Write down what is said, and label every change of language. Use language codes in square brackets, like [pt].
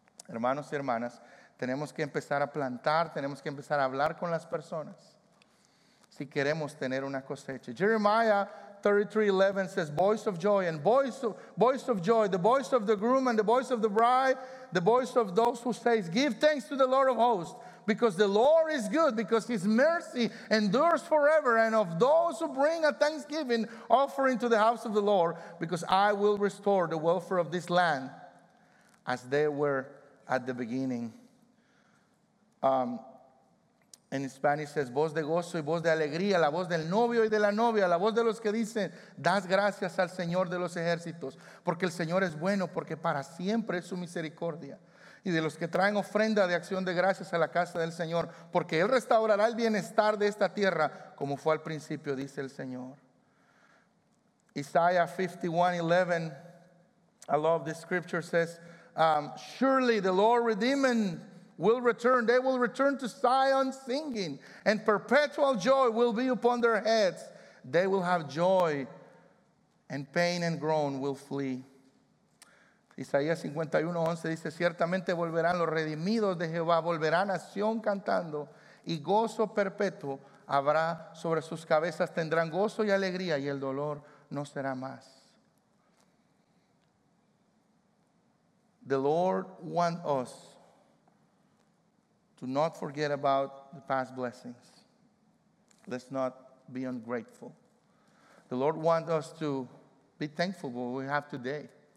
[es] Hermanos y hermanas, tenemos que empezar a plantar, tenemos que empezar a hablar con las personas si queremos tener una cosecha. [en] Jeremiah 33:11 says, voice of joy and voice of joy, the voice of the groom and the voice of the bride, the voice of those who say, give thanks to the Lord of hosts, because the Lord is good, because his mercy endures forever, and of those who bring a thanksgiving offering to the house of the Lord, because I will restore the welfare of this land as they were at the beginning. And in Spanish says, [es] voz de gozo y voz de alegría, la voz del novio y de la novia, la voz de los que dicen, das gracias al Señor de los ejércitos, porque el Señor es bueno, porque para siempre es su misericordia. Y de los que traen ofrenda de acción de gracias a la casa del Señor, porque Él restaurará el bienestar de esta tierra, como fue al principio, dice el Señor. [en] Isaiah 51:11, I love this scripture, says, surely the Lord redeemed will return. They will return to Zion singing, and perpetual joy will be upon their heads. They will have joy, and pain and groan will flee. [es] Isaías 51:11 dice, ciertamente volverán los redimidos de Jehová, volverán a Sion cantando, y gozo perpetuo habrá sobre sus cabezas, tendrán gozo y alegría, y el dolor no será más. [en] The Lord wants us to not forget about the past blessings. Let's not be ungrateful. The Lord wants us to be thankful for what we have today.